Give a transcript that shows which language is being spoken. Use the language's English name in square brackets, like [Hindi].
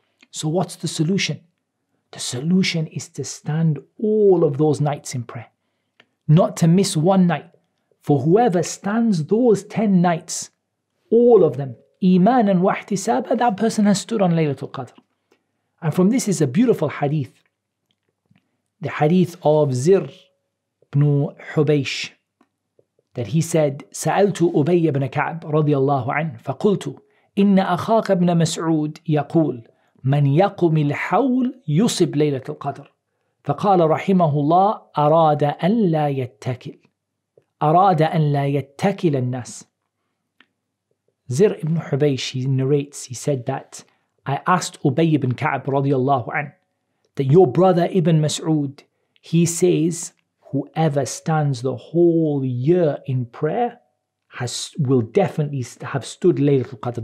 [English] So what's the solution? The solution is to stand all of those nights in prayer, not to miss one night. For whoever stands those 10 nights, all of them, iman and wahtisaba, that person has stood on Laylatul Qadr. And from this is a beautiful hadith, the hadith of Zir ibn Hubaysh, that he said, [Arabic] سَأَلْتُ أُبَيَّ بْنَ كَعْبْ رَضِيَ اللَّهُ عَنْهُ فَقُلْتُ إن أخاك ابن مسعود يقول من يقم الحول يصب ليلة القدر فقال رحمه الله أراد أن لا يتكل أراد أن لا يتكل الناس. [English] Zir ibn Hubaysh, he narrates, he said that I asked Ubay ibn Ka'b radiallahu an, that your brother Ibn Mas'ud, he says whoever stands the whole year in prayer will definitely have stood Laylatul Qadr.